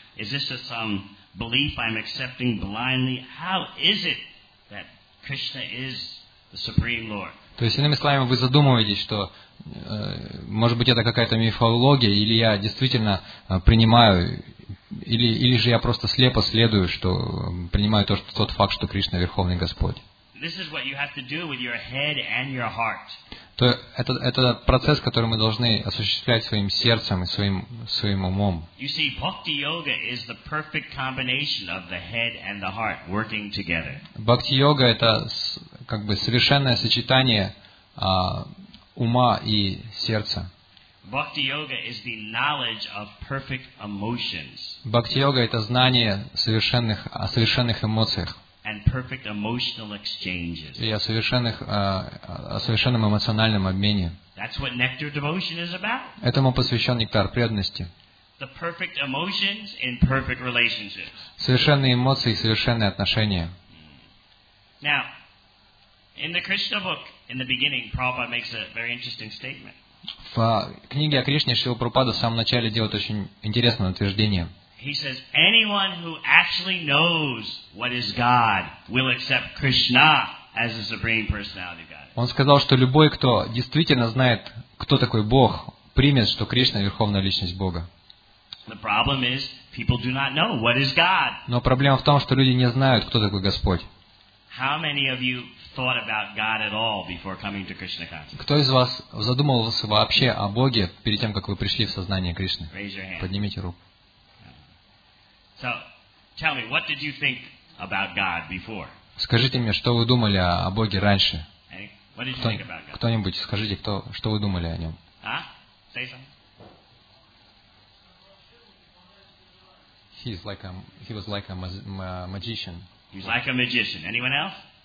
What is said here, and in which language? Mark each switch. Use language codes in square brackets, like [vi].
[en] Is this just some belief I'm accepting blindly? How is it that Krishna is the Supreme Lord? [ru] То есть, иными словами, вы задумываетесь, что, может быть, это какая-то мифология, или я действительно принимаю, или же я просто слепо следую, что принимаю тот факт, что Кришна Верховный Господь. [en] This is what you have to do with your head and your heart. [ru] То это процесс, который мы должны осуществлять своим сердцем и своим умом. [en] You see, bhakti yoga is the perfect combination of the head and the heart working together. [ru] Бхакти йога это как бы совершенное сочетание ума и сердца. [en] Bhakti yoga is the knowledge of perfect emotions. [ru] Бхакти йога это знание о совершенных эмоциях. [en] And perfect emotional exchanges. [ru] И о совершенном эмоциональном обмене. [en] That's what nectar devotion is about. [ru] Этому посвящен нектар преданности. [en] The perfect emotions in perfect relationships. [ru] Совершенные эмоции и совершенные отношения. [en] Now, in the Krishna book, in the beginning, Prabhupada makes a very interesting statement. [ru] В книге о Кришне Шрила Прабхупада в самом начале делает очень интересное утверждение. [en] He says, anyone who actually knows what is God will accept Krishna as the supreme personality of God. [ru] Он сказал, что любой, кто действительно знает, кто такой Бог, примет, что Кришна верховная личность Бога. [en] The problem is, people do not know what is God. [ru] Но проблема в том, что люди не знают, кто такой Господь. [en] How many of you thought about God at all before coming to Krishna consciousness? [ru] Кто из вас задумывался вообще о Боге перед тем, как вы пришли в сознание Кришны? [en] Raise your hand. [ru] Поднимите руку. [en] So, tell me, what did you think about God before? [ru] Скажите мне, что вы думали о Боге раньше? [en] What did you think about God? [ru] Кто-нибудь, скажите, что вы думали о нем? [en] А? Say something. He was like a magician. He's like a magician. Anyone else?